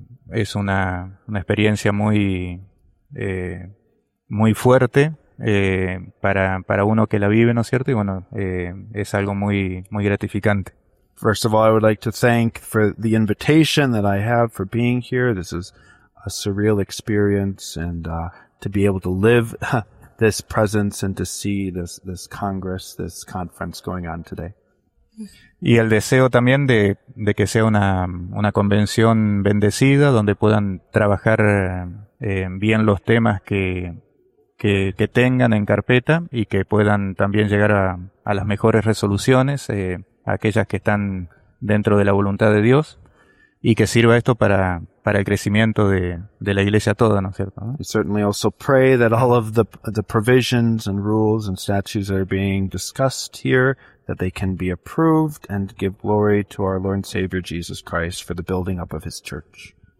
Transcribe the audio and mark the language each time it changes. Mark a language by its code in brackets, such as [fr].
[es] Es una experiencia muy, muy fuerte para uno que la vive, ¿no es cierto? Y bueno, es algo muy, muy gratificante. [en] First of all, I would like to thank for the invitation that I have for being here. This is a surreal experience, and to be able to live this presence and to see this Congress, this conference going on today. [es] Y el deseo también de que sea una convención bendecida, donde puedan trabajar bien los temas que tengan en carpeta y que puedan también llegar a las mejores resoluciones, aquellas que están dentro de la voluntad de Dios, y que sirva esto para el crecimiento de la iglesia toda, ¿no es cierto? [en] I certainly also pray that all of the provisions and rules and statutes that are being discussed here, that they can be approved and give glory to our Lord and Savior Jesus Christ for the building up of his church.